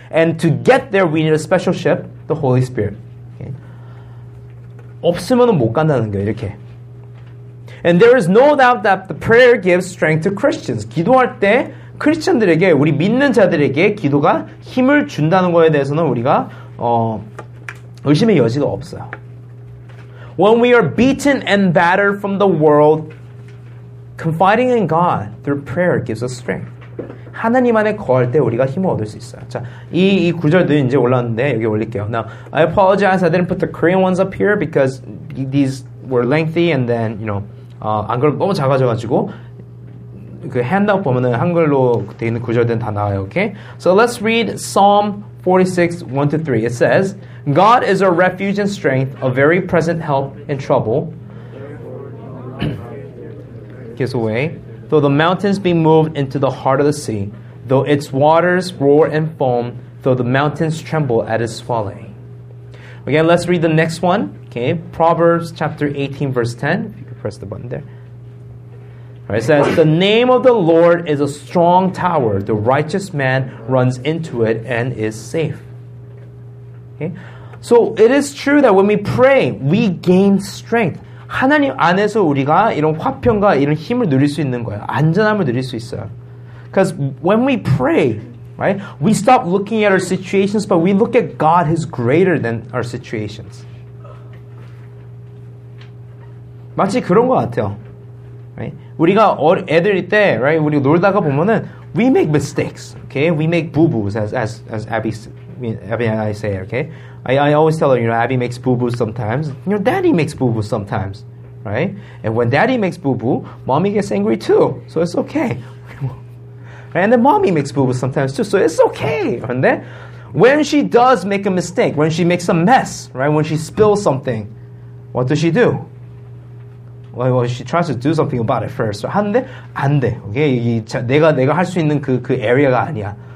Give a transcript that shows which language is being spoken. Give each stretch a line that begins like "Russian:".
English: And to get there, we need a special ship, the Holy Spirit. Okay?
Korean: 없으면 못 간다는 거예요, 이렇게.
English: And there is no doubt that the prayer gives strength to Christians.
Korean: 기도할 때 크리스천들에게, 우리 믿는 자들에게 기도가 힘을 준다는 거에 대해서는 우리가 의심의 여지가 없어요.
English: When we are beaten and battered from the world, confiding in God through prayer gives us strength.
Korean: 하나님 안에 거할 때 우리가 힘을 얻을 수 있어요. 자, 이 구절들이 이제 올랐는데 여기 올릴게요.
English: Now, I apologize. I didn't put the Korean ones up here because these were lengthy and then, you know,
Korean: 안 그래도 너무 작아져가지고 그 핸드아웃 보면은 한글로 돼 있는 구절들은 다 나와요.
English: Okay? So let's read Psalm 46:1-3. It says, God is our refuge and strength, a very present help in trouble. Gives away. Though the mountains be moved into the heart of the sea, though its waters roar and foam, though the mountains tremble at its falling. Again, let's read the next one. Okay, Proverbs chapter 18, verse 10. If you could press the button there. All right, it says, the name of the Lord is a strong tower. The righteous man runs into it and is safe. Okay? So it is true that when we pray, we gain strength.
Korean: 하나님 안에서 우리가 이런 화평과 이런 힘을 누릴 수 있는 거예요. 안전함을 누릴 수 있어요.
English: Because when we pray, right, we stop looking at our situations, but we look at God who's greater than our situations.
Korean: 마치 그런 것 같아요. Right? 우리가 애들일 때, right, 우리 놀다가 보면은
English: we make mistakes, okay? We make boo-boos, as Abby and I say, okay? I always tell her, you know, Abby makes boo-boos sometimes. You know, Daddy makes boo-boos sometimes, right? And when Daddy makes boo-boo, Mommy gets angry too, so it's okay. And then Mommy makes boo-boos sometimes too, so it's okay. And then when she does make a mistake, when she makes a mess, right, when she spills something, what does she do? Well, she tries to do something about it first.
Korean: 하는데 안 돼. Okay? 이게 내가 할 수 있는 그 에리어가 아니야.